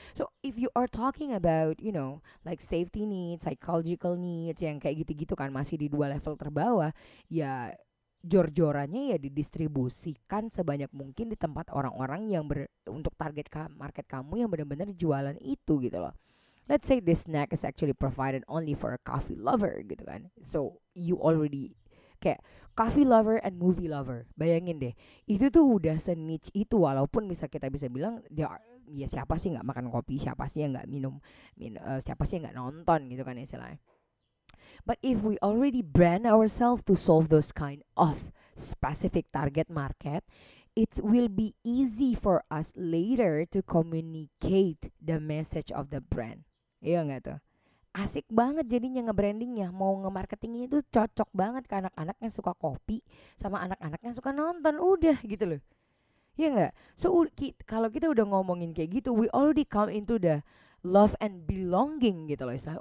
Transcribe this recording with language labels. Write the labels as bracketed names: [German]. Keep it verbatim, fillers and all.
[English] So if you are talking about you know like safety needs, psychological needs [Indonesian] yang kayak gitu-gitu kan masih di dua level terbawah ya. Jor-jorannya ya didistribusikan sebanyak mungkin di tempat orang-orang yang ber, untuk target market kamu yang benar-benar jualan itu gitu loh. [English] Let's say this snack is actually provided only for a coffee lover [Indonesian] gitu kan. [English] So you already kayak coffee lover and movie lover. [Indonesian] Bayangin deh, itu tuh udah se-niche itu, walaupun bisa kita bisa bilang dia ya siapa sih nggak makan kopi, siapa sih yang nggak minum, min, uh, siapa sih yang nggak nonton gitu kan istilahnya. [English] But if we already brand ourselves to solve those kind of specific target market, it will be easy for us later to communicate the message of the brand. [Indonesian] Iya nggak tuh? Asik banget jadinya nge-brandingnya, mau nge-marketingnya itu cocok banget ke anak-anaknya suka kopi sama anak-anaknya suka nonton, udah gitu loh. Iya nggak? So kalau kita udah ngomongin kayak gitu, [English] we already come into the love and belonging [Indonesian] gitu loh istilahnya.